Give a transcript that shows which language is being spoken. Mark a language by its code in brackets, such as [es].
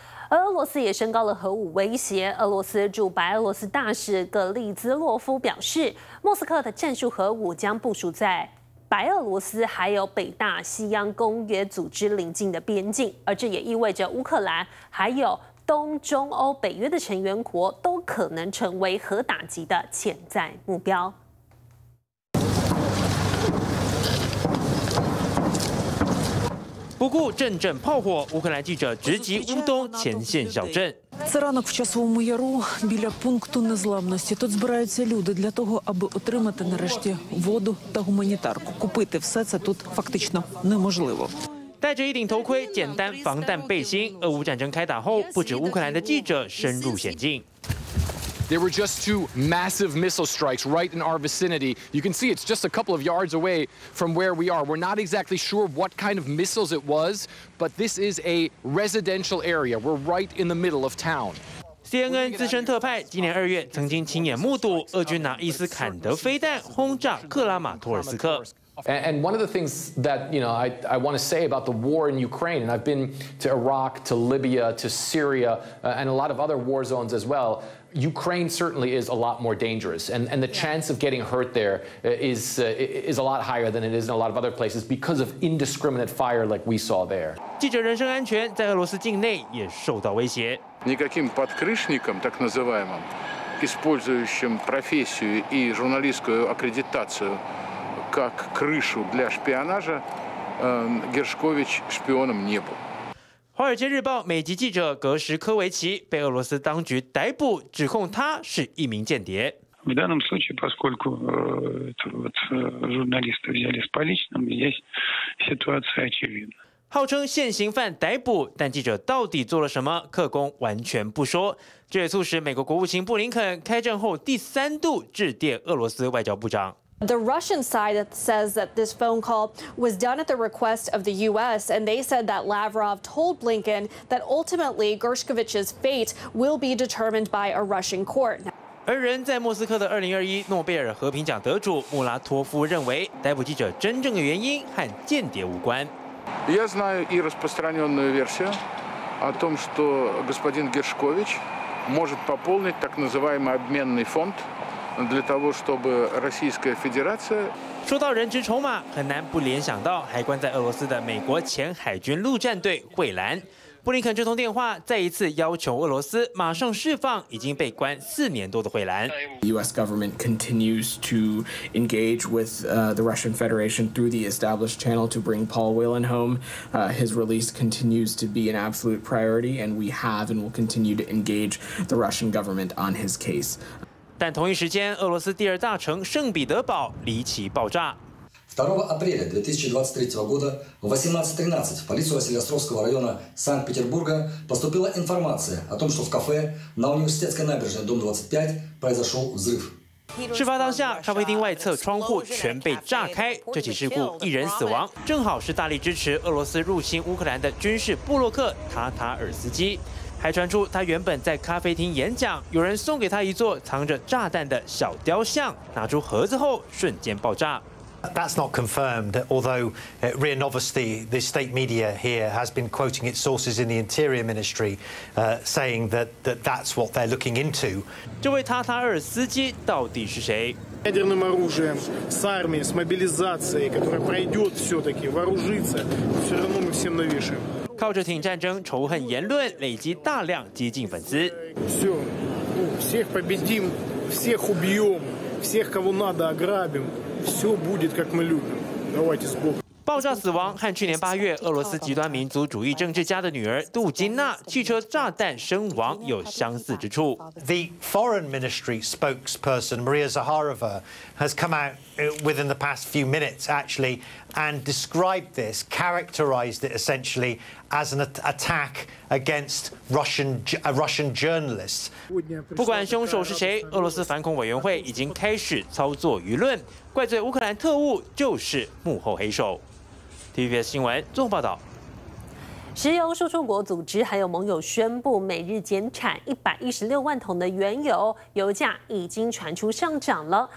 [zh] 俄罗斯也升高了核武威胁。俄罗斯驻白俄罗斯大使格利兹洛夫表示，莫斯科的战术核武将部署在白俄罗斯还有北大西洋公约组织邻近的边境，而这也意味着乌克兰还有东中欧北约的成员国都可能成为核打击的潜在目标。不顾阵阵炮火，乌克兰记者直击乌东前线小镇。 [uk] Це рано в часовому яру біля пункту незламності. Тут збираються люди для того, аби отримати нарешті воду та гуманітарку. Купити все це тут фактично неможливо. [zh] 戴着一顶头盔、简单防弹背心，俄乌战争开打后，不止乌克兰的记者深入险境。 [en] There were just 2 massive missile strikes right in our vicinity. You can see it's just a couple of yards away from where we are. We're not exactly sure what kind of missiles it was, but this is a residential area. We're right in the middle of town. [zh] CNN 资深特派今年2月曾经亲眼目睹俄军拿伊斯坎德飞弹轰炸克拉马托尔斯克。 [en] And one of the things that you know I want to say about the war in Ukraine, and I've been to Iraq, to Libya, to Syria, and a lot of other war zones as well. Ukraine certainly is a lot more dangerous, and the chance of getting hurt there is a lot higher than it is in a lot of other places because of indiscriminate fire like we saw there. [zh] 记者人身安全在俄罗斯境内也受到威胁。 [ru] Никаким подкрышником, так называемым, использующим профессию и журналистскую аккредитацию как крышу для шпионажа, Гершкович шпионом не был. [zh] 《华尔街日报》美籍记者格什科维奇被俄罗斯当局逮捕，指控他是一名间谍。 [ru] В данном случае, поскольку журналисты взяли с поличным, здесь ситуация очевидна. [zh] 号称现行犯逮捕，但记者到底做了什么，克宫完全不说。这也促使美国国务卿布林肯开战后第三度致电俄罗斯外交部长。 [en] The Russian side says that this phone call was done at the request of the U.S., and they said that Lavrov told Blinken that ultimately Gershkovich's fate will be determined by a Russian court. [zh] 而人在莫斯科的2021诺贝尔和平奖得主穆拉托夫认为，逮捕记者真正的原因和间谍无关。 [ru] Я знаю и распространенную версию о том, что господин Гершкович может пополнить так называемый обменный фонд. [zh] 说到人质筹码，很难不联想到还关在俄罗斯的美国前海军陆战队蔚蓝。布林肯这通电话再一次要求俄罗斯马上释放已经被关4年多的蔚蓝。 [en] The U.S. government continues to engage with the Russian Federation through the established channel to bring Paul Whelan home. His release continues to be an absolute priority, and we have and will continue to engage the Russian government on his case. [zh] 但同一时间，俄罗斯第二大城圣彼得堡离奇爆炸。 [ru] 2 апреля 2023 года в 18:13 в полицию Василеостровского района Санкт-Петербурга поступила информация о том, что в кафе на Университетской набережной дом 25 произошел взрыв。 [zh] 事发当下，咖啡厅外侧窗户全被炸开，这起事故一人死亡，正好是大力支持俄罗斯入侵乌克兰的军事部落客塔塔尔斯基。还传出他原本在咖啡厅演讲，有人送给他一座藏着炸弹的小雕像，拿出盒子后瞬间爆炸。 [en] That's not confirmed, although RIA Novosti, the state media here, has been quoting its sources in the Interior Ministry, saying that that's what they're looking into. [zh] 这位塔塔尔司机到底是谁？ [ru] ядерным оружием, с армией, с мобилизацией, которая пройдет все-таки, вооружиться, все равно мы всем навешаем. [zh] 靠着挺战争、仇恨言论，累积大量激进粉丝。 [ru] Все, всех победим, всех убьем, всех кого надо ограбим. Все будет, как мы любим. Давайте сбоку. [zh] 爆炸死亡和去年八月俄罗斯极端民族主义政治家的女儿杜金娜汽车炸弹身亡有相似之处。 [en] The Foreign Ministry spokesperson Maria Zakharova has come out within the past few minutes, actually, and described this, characterized it essentially as an attack against a Russian journalist. [zh] 不管凶手是谁，俄罗斯反恐委员会已经开始操作舆论，怪罪乌克兰特务就是幕后黑手。 TVBS 新闻做报道。石油输出国组织还有盟友宣布每日减产116万桶的原油，油价已经传出上涨了。